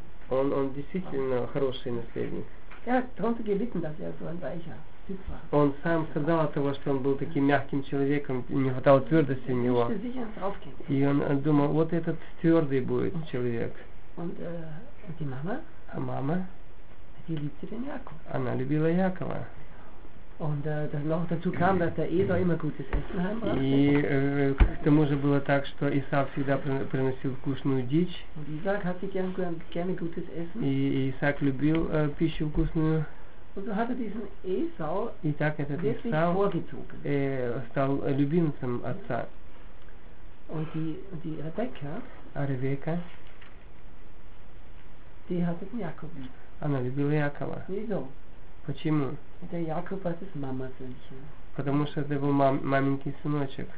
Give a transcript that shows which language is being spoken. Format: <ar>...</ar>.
<ru>Он действительно хороший наследник.</ru> <de>Darunter gelitten, dass so ein weicher Typ war.</de> <ru>Он сам сказал о том, что он был таким мягким человеком, не хватало твердости у него. И он думал, вот этот твердый будет человек.</ru> <de>Und die Mama?</de> <ru>А мама?</ru> <de>Die liebte den Jakob.</de> <ru>Она любила Якова.</ru> <de>Und noch dazu kam, dass der Esau immer gutes Essen heimbrachte.</de> <ru>И к тому же было так, что Исав всегда приносил вкусную дичь.</ru> <de>Und Isaac hatte gerne gutes Essen.</de> <ru>И Исаак любил пищу вкусную.</ru> <de>Und so hatte diesen Esau wirklich vorgezogen.</de> <ru>Стал любимцем отца.</ru> <de>Und die Rebecca?</de> <ru>А Ревека?</ru> <de>Die hatte den Jakob lieb.</de> <ru>Она любила Якова.</ru> <de>Wieso?</de> <ru>Почему?</ru> <de>Der Jakob hat das Mama-Söhnchen.</de> <ru>Потому что это был маменький сыночек.</ru>